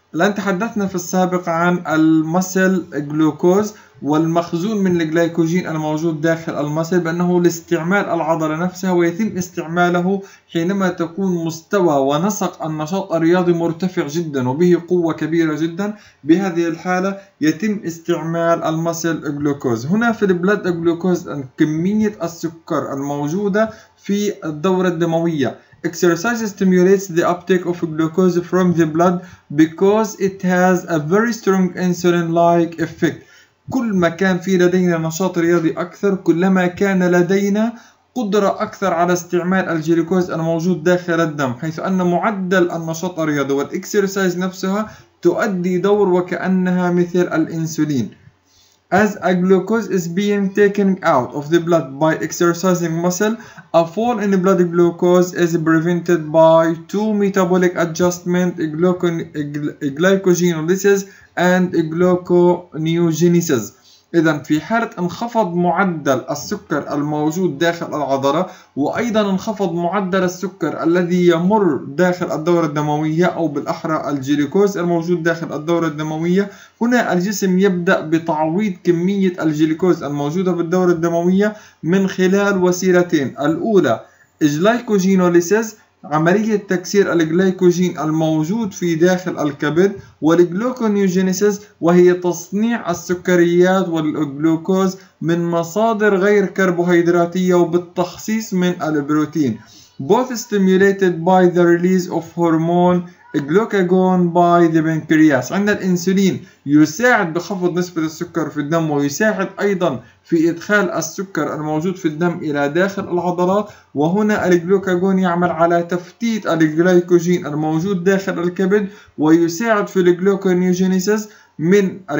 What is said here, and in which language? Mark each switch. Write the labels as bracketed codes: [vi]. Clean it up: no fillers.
[ar] لأن تحدثنا في السابق عن المسل جلوكوز والمخزون من الجلايكوجين الموجود داخل المسل بأنه لاستعمال العضلة نفسها، ويتم استعماله حينما تكون مستوى ونسق النشاط الرياضي مرتفع جدا وبه قوة كبيرة جدا. بهذه الحالة يتم استعمال المسل جلوكوز. هنا في البلد جلوكوز كمية السكر الموجودة في الدورة الدموية، [en] Exercise stimulates the uptake of glucose from the blood because it has a very strong insulin-like effect. [ar] كل ما كان في لدينا نشاط رياضي أكثر كلما كان لدينا قدرة أكثر على استعمال الجلوكوز الموجود داخل الدم حيث أن معدل النشاط الرياضي والإكسيرسايز نفسها تؤدي دور وكأنها مثل الإنسولين. [en] As a glucose is being taken out of the blood by exercising muscle, a fall in blood glucose is prevented by two metabolic adjustments, glycogenolysis and gluconeogenesis. [ar] إذا في حالة انخفض معدل السكر الموجود داخل العضلة وأيضا انخفض معدل السكر الذي يمر داخل الدورة الدموية أو بالأحرى الجلوكوز الموجود داخل الدورة الدموية، هنا الجسم يبدأ بتعويض كمية الجلوكوز الموجودة بالدورة الدموية من خلال وسيلتين. الأولى جلايكوجينوليسيس، عملية تكسير الجلايكوجين الموجود في داخل الكبد، والجلوكونيوجينيسيس وهي تصنيع السكريات والجلوكوز من مصادر غير كربوهيدراتية وبالتخصيص من البروتين. [en] Both stimulated by the release of hormone glucagon by the pancreas. [ar] عند الإنسولين يساعد بخفض نسبة السكر في الدم ويساعد أيضا في إدخال السكر الموجود في الدم إلى داخل العضلات، وهنا الجلوكاجون يعمل على تفتيت الجلايكوجين الموجود داخل الكبد ويساعد في الجلوكونيوجينيسيس من